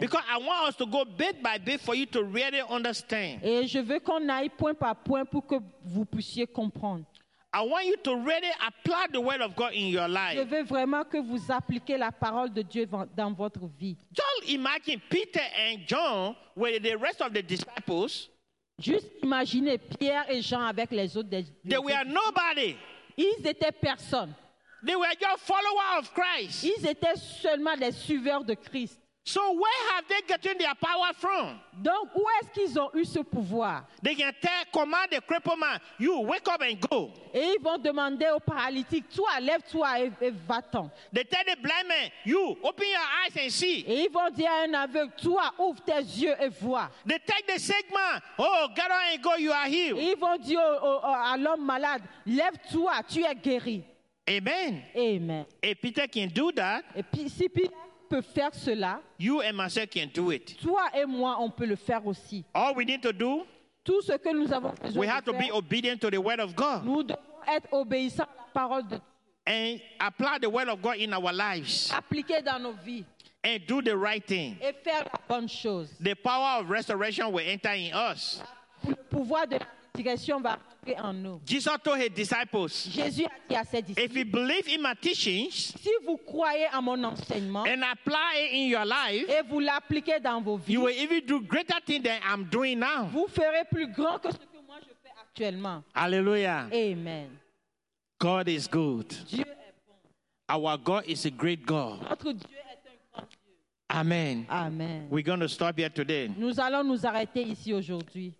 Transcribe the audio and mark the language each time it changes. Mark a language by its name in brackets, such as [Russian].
[English] Because I want us to go bit by bit for you to really understand. [French] Et je veux qu'on aille point par point pour que vous puissiez comprendre. [English] I want you to really apply the word of God in your life. [French] Je veux vraiment que vous appliquiez la parole de Dieu dans votre vie. [English] Just imagine Peter and John with the rest of the disciples. [French] Juste imaginez Pierre et Jean avec les autres. [English] They were nobody. [French] Ils étaient personne. [English] They were just followers of Christ. [French] Ils étaient seulement des suiveurs de Christ. [English] So where have they gotten their power from? [French] Donc où est-ce qu'ils ont eu ce pouvoir? [English] They can tell, command the crippled man, you wake up and go. [French] Et ils vont demander au paralytique, toi, lève-toi et va-t'en. [English] They tell the blind man, you open your eyes and see. [French] Et ils vont dire à un aveugle, toi, ouvre tes yeux et vois. [English] They tell the sick man, oh, get on and go, you are healed. [French] Et ils vont dire à l'homme malade, lève-toi, tu es guéri. [English] Amen. [French] Amen. [English] Et Peter can do that. [French] Et puis si Peter peut faire cela. [English] You and myself can do it. [French] Toi et moi, on peut le faire aussi. [English] All we need to do, [French] tout ce que nous avons besoin [English] we have [French] de [English] to [French] faire, [English] be obedient to the word of God. [French] Nous devons être obéissants à la parole de Dieu. [English] And apply the word of God in our lives. [French] Appliquer dans nos vies. [English] And do the right thing. [French] Et faire la bonne chose. [English] The power of restoration will enter in us. [French] Le pouvoir de restauration va entrer en nous. [English] Jesus told his disciples, [French] Jésus a dit à ses disciples, [English] if you believe in my teachings, [French] si vous croyez à mon enseignement, [English] and apply it in your life, [French] et vous l'appliquez dans vos vies, [English] you will even do greater things than I'm doing now. [French] Vous ferez plus grand que ce que moi je fais actuellement. [English] Hallelujah. [French] Amen. [English] God is good. [French] Dieu est bon. [English] Our God is a great God. [French] Notre Dieu est un grand Dieu. [English] Amen. [French] Amen. [English] We're going to stop here today. [French] Nous allons nous arrêter ici aujourd'hui.